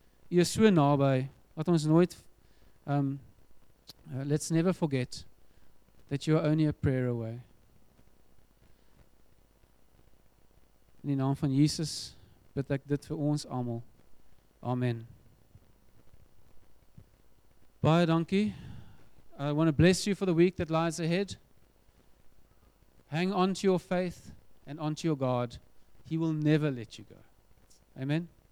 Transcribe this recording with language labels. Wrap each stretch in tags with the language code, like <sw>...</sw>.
<af>U is so naby, dat ons nooit</af> <en>let's never forget that you are only a prayer away.</en> <af>In die naam van Jesus bid ek dit vir ons almal. Amen. Baie dankie.</af> <en>I want to bless you for the week that lies ahead. Hang on to your faith and onto your God. He will never let you go. Amen.</en>